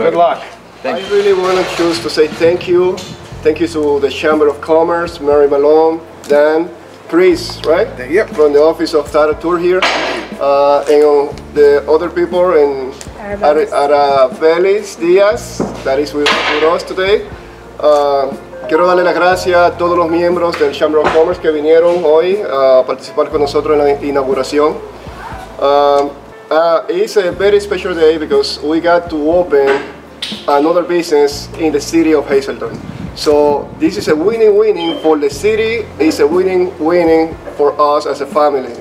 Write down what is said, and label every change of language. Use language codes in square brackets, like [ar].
[en] I really want to choose to say thank you. Thank you to the Chamber of Commerce, Mary Malone, Dan, Chris, right? Yep. From the office of Tata Tour here. And the other people in Arabelis Diaz, that is with us today. [es] Quiero darle las gracias a todos los miembros del Chamber of Commerce que vinieron hoy a participar con nosotros en la inauguración. [en] It's a very special day because we got to open another business in the city of Hazleton. So this is a winning-winning for the city. It's a winning-winning for us as a family.